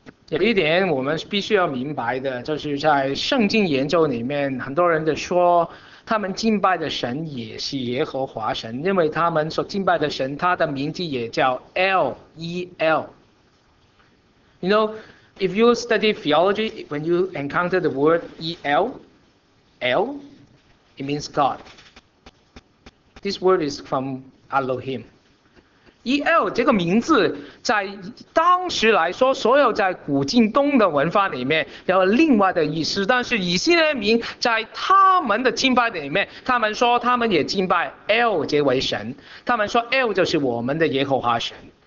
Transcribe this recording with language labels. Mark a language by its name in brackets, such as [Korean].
[Chinese] 有一点我们必须要明白的，就是在圣经研究里面，很多人就说他们敬拜的神也是耶和华神，因为他们所敬拜的神他的名字也叫 El. [English] You know, if you study theology, when you encounter the word El, it means God. This word is from Elohim. [Chinese] El 这个名字在当时来说，所有在古近东的文化里面有另外的意思，但是以色列民在他们的敬拜里面，他们说他们也敬拜 El 这位神，他们说 El 就是我们的耶和华神。